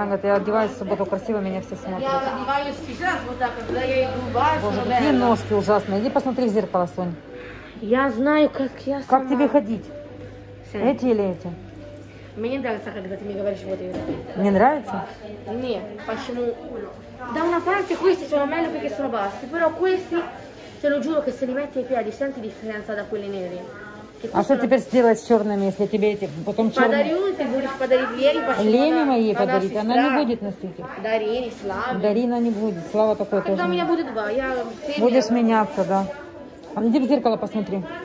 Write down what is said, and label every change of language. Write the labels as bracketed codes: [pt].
[ru] Она говорит, я одеваюсь в субботу красиво, меня все смотрят. Я одеваюсь сейчас вот так, когда я иду в бар. Боже, какие ножки ужасные. Иди посмотри в зеркало, Сонь. Я знаю, как я сама... Как тебе ходить? Сэн. Эти или эти? Мне нравится, когда ты мне говоришь вот это. Не нравится? Нет, почему? [it] Да, una parte questi sono meglio perché sono bassi, però questi te lo giuro che se li metti ai piedi senti differenza da quelli neri. [ru] А что теперь сделать с черными, если тебе эти потом черные? Подарю, ты будешь подарить Лене, почему? Лене моей подарить, она не будет носить. Дарине, Славе. Дарина не будет, Слава такой тоже. Когда у меня будет два, я... Будешь меняться, да. А где в зеркало посмотри?